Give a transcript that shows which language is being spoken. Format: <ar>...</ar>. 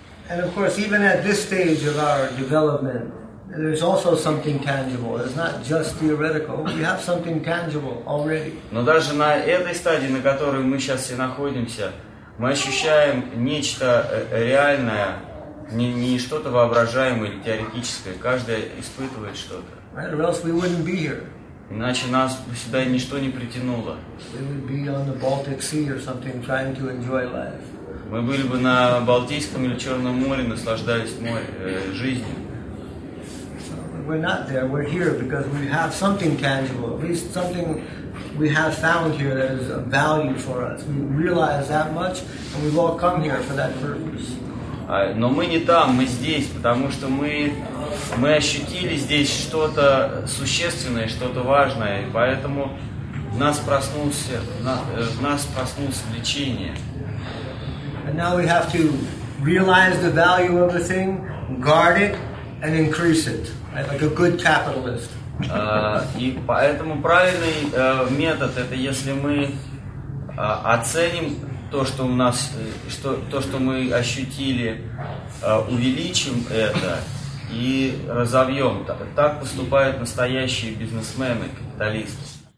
<en>And of course, even at this stage of our development, there's also something tangible. It's not just theoretical. We have something tangible already.</en> <ru>Но даже на этой стадии, на которой мы сейчас все находимся, мы ощущаем нечто реальное, не что-то воображаемое или теоретическое. Каждый испытывает что-то.</ru> <en>Right, or else we wouldn't be here.</en> <ru>Иначе нас бы сюда ничто не притянуло.</ru> <en>We would be on the Baltic Sea or something, trying to enjoy life.</en> <ru>Мы были бы на Балтийском или Черном море, наслаждались жизнью.</ru> <en>We're not there. We're here because we have something tangible. At least something we have found here that is of value for us. We realize that much, and we've all come here for that purpose.</en> <ru>Но мы не там, мы здесь, потому что мы ощутили здесь что-то существенное, что-то важное, и поэтому в нас проснулось влечение.</ru> <en>And now we have to realize the value of the thing, guard it, and increase it. Like a good capitalist.</en> <ru>И поэтому правильный метод это если мы оценим то, что у нас, что мы ощутили, увеличим это и разовьем. Так поступают настоящие бизнесмены, капиталисты.</ru>